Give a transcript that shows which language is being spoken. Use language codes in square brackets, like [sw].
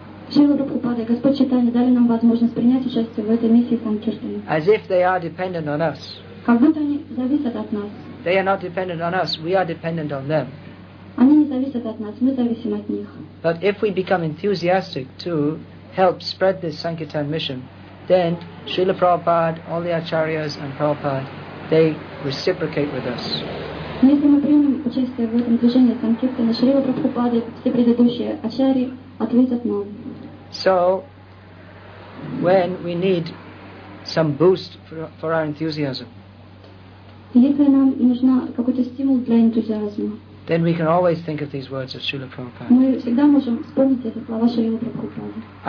[ru] Шрила Прабхупада и Господь Чайтанья дали нам возможность принять участие в этой миссии Санкиртана. [en] As if they are dependent on us. [ru] Как будто они зависят от нас. [en] They are not dependent on us, we are dependent on them. [ru] Они не зависят от нас, мы зависим от них. [en] But if we become enthusiastic to help spread this Sankirtan mission, then Srila Prabhupada, all the Acharyas and Prabhupada, they reciprocate with us. [ru] Если мы примем участие в этом движении Санкиртана, Шрила Прабхупада и все предыдущие Ачарьи ответят нам. [en] So, when we need some boost for our enthusiasm, then we can always think of these words of Srila Prabhupada.